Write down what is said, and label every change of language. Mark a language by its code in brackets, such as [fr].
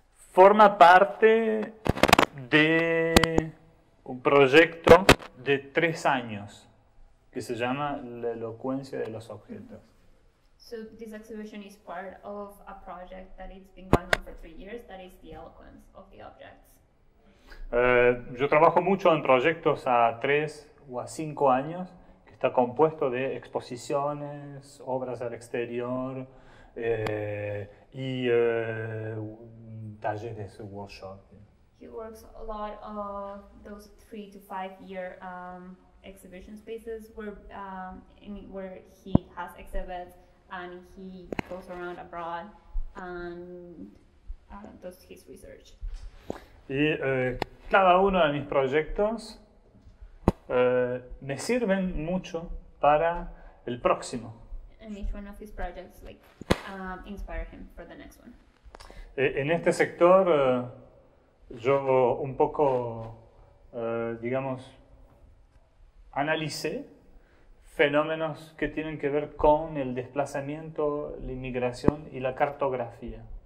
[es] forma parte de un proyecto de 3 años que se llama La elocuencia de los objetos. [en] So this exhibition is part of a project that it's been going on for 3 years, that is The Eloquence of the Objects. [es] Yo trabajo mucho en proyectos a 3 o a 5 años, que está compuesto de exposiciones, obras al exterior, talleres, workshop. [en] He works a lot of those 3 to 5 year exhibition spaces where he has exhibits and he goes around abroad and does his research. [es] Y cada uno de mis proyectos me sirven mucho para el próximo. [en] And each one of his projects like inspire him for the next one. [es] En este sector, yo un poco, digamos, analicé fenómenos que tienen que ver con el desplazamiento, la inmigración y la cartografía.